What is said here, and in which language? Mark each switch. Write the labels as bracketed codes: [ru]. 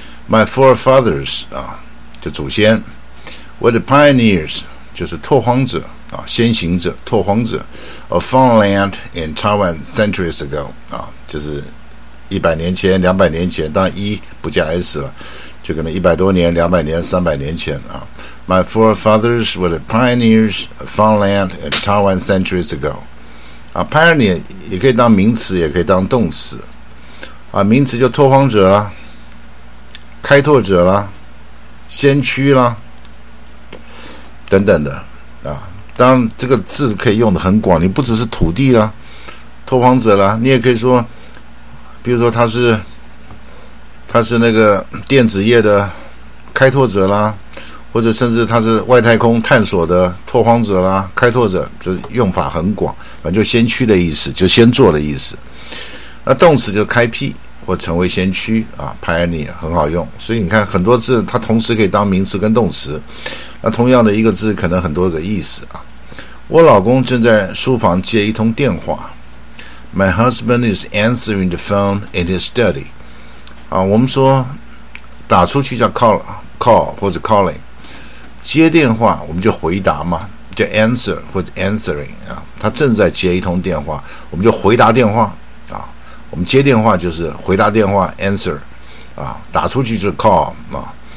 [en] My forefathers [zh] 啊。就祖先 ， [en] were the pioneers [zh] 就是拓荒者啊，先行者、拓荒者 ， [en] of found land in Taiwan centuries ago [zh] 啊，就是100年前、200年前，当然一不加 s 了，就可能100多年、200年、300年前啊。 [en] My forefathers were the pioneers of found land in Taiwan centuries ago [zh] 啊 ，pioneer 也可以当名词，也可以当动词啊，名词就拓荒者啦，开拓者啦。先驱啦等等的啊，当然这个字可以用的很广，你不只是土地啦，拓荒者啦，你也可以说比如说他是那个电子业的开拓者啦，或者甚至他是外太空探索的拓荒者啦，开拓者，就用法很广，反正就先驱的意思，就先做的意思。那动词就开辟或成为先驱啊 ，pioneer 很好用，所以你看很多字它同时可以当名词跟动词，那同样的一个字可能很多个意思啊。我老公正在书房接一通电话 [en] ，My husband is answering the phone in his study。 [zh] 啊，我们说打出去叫 call 或者 calling， 接电话我们就回答嘛，叫 answer 或者 answering 啊，他正在接一通电话，我们就回答电话。我们接电话就是回答电话 answer 啊，打出去就是 call 啊。